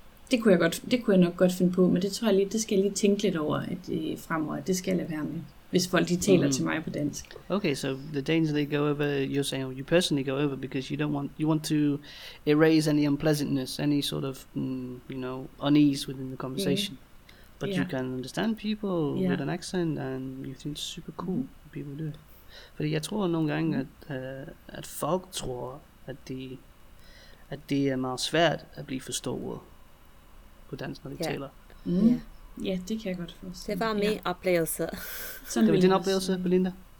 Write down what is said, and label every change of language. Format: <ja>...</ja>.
<da>Det kunne jeg godt, det kunne jeg nok godt finde på, men det tror jeg lige, det skal jeg lige tænke lidt over, at fremover, det skal jeg lade være med, hvis folk de taler til mig på dansk.</da> <en>Okay, so the Danes, they go over, you're saying, you personally go over, because you don't want, you want to erase any unpleasantness, any sort of, you know, unease within the conversation. But you can understand people with an accent, and you think it's super cool, people do.</en> <da>Fordi jeg tror nogle gange, at, at folk tror, at det er meget svært at blive forstået på dansk, når de taler. Ja, det kan jeg godt forstå. Det var min oplevelse. Det var din oplevelse, Belinda?</da>